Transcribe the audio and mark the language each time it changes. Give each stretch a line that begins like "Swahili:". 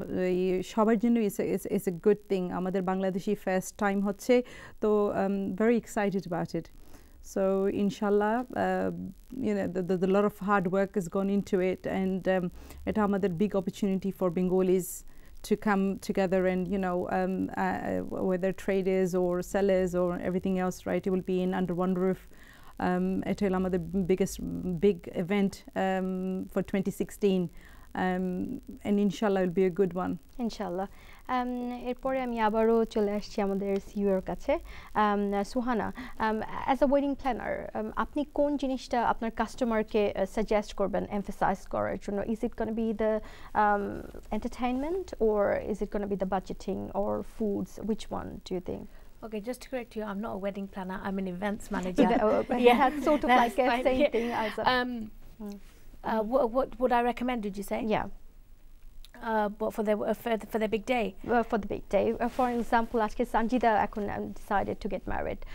Bangla: এই সবার জন্য
English: it's a good thing,
Bangla: আমাদের বাংলাদেশি ফার্স্ট টাইম হচ্ছে,
English: তো very excited about it, so inshallah you know the lot of hard work has gone into it, and it's another big opportunity for Bengalis to come together, and you know whether traders or sellers or everything else, right, it will be in under one roof. It's another biggest big event for 2016, and inshallah it'll be a good one, inshallah.
Bangla: এরপরে আমি আবারও চলে আসছি আমাদের সিইওর কাছে, Suhana, as a wedding planner আপনি কোন জিনিসটা আপনার কাস্টমারকে সাজেস্ট করবেন এমফাসাইজ করার জন্য?
English: Is it gonna be the entertainment, or is it gonna be the budgeting, or foods, which one do you think? Okay, just to correct you, I'm not a wedding planner, I'm an events manager. Yeah, that's sort of like the same thing. As What would I recommend, did you say? Yeah. But for the big day? For the big day. For example, ask Sanjida Akun decided to get married.